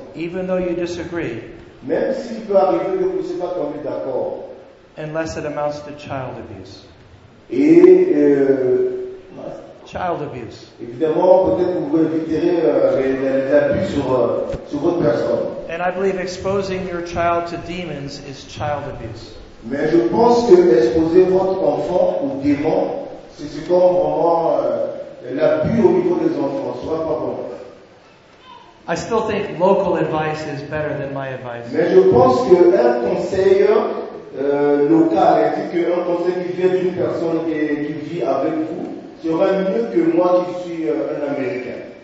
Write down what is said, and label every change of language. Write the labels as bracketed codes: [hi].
[en] Even though you disagree. [fr] Même s'il peut arriver que vous ne soyez pas tombé d'accord. [en] Unless it amounts to child abuse. Child abuse. [fr] Évidemment, peut-être que vous éviterez les abus sur votre personne. [en] And I believe exposing your child to demons is child abuse. [fr] Mais je pense que exposer votre enfant aux démons, c'est comme vraiment l'abus au niveau des enfants, soit pas bon. [en] I still think local advice is better than my advice. [fr] Mais je pense que un conseil local, c'est-à-dire qu'un conseil qui vient d'une personne qui vit avec vous, sera mieux que moi qui suis un Américain.